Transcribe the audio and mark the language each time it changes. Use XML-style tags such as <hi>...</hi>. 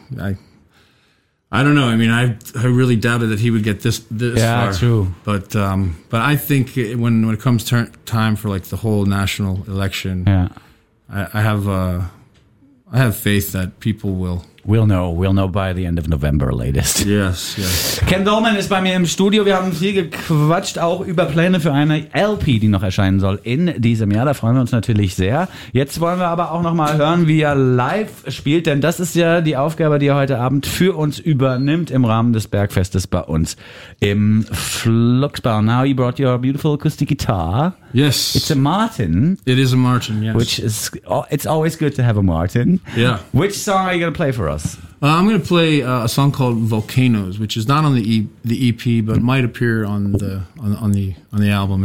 <en>Yeah, I don't know. I mean, I really doubted that he would get this yeah, far. Yeah, true. But I think when it comes time for like the whole national election, I have faith that people will. We'll know by the end of November latest. Yes, yes.</en> <de>Ken Dolman ist bei mir im Studio. Wir haben viel gequatscht, auch über Pläne für eine LP, die noch erscheinen soll in diesem Jahr. Da freuen wir uns natürlich sehr. Jetzt wollen wir aber auch nochmal hören, wie er live spielt, denn das ist ja die Aufgabe, die er heute Abend für uns übernimmt im Rahmen des Bergfestes bei uns im Fluxbau.</de> <en>Now you brought your beautiful acoustic guitar. Yes. It's a Martin. It is a Martin, yes. Which is, it's always good to have a Martin. Yeah. Which song are you going to play for us? I'm going to play a song called Volcanoes, which is not on the EP, but might appear on the album.</en>